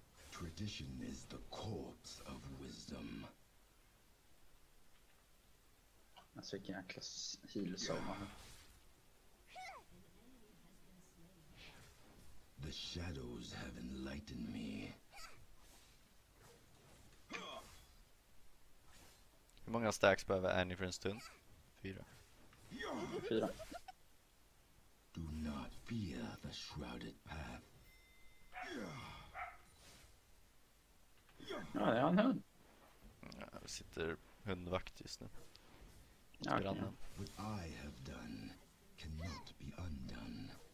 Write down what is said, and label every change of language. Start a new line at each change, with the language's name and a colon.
English: Tradition is the corpse of wisdom.
Swedish: Alltså vilken jäkla heal som har.
English: The shadows have enlightened me.
Swedish: Hur många stacks behöver Annie för en stund? 4. 4.
English: Do not fear the shrouded path.
Swedish: Ja, det är en hund. Ja, vi sitter hundvakt just nu. Grannen.
English: What I have done cannot be undone.